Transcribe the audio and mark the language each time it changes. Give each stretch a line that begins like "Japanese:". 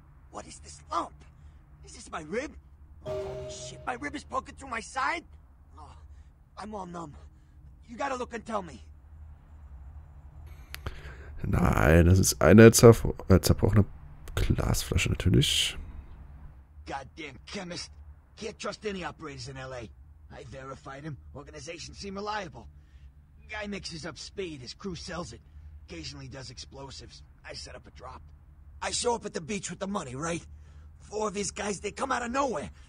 English: What is this lump? Is this my rib? Holy shit, my rib is poking through my side? Oh, I'm all numb. You gotta look and tell me.
German: Nein, das ist eine zerbrochene Glasflasche, natürlich.
English: Goddamn chemist. Can't trust any operators in L.A. I verified him. Organization seem reliable. Guy mixes up speed, his crew sells it. Occasionally does explosives. I set up a drop. I show up at the beach with the money, right? Four of these guys, they come out of nowhere.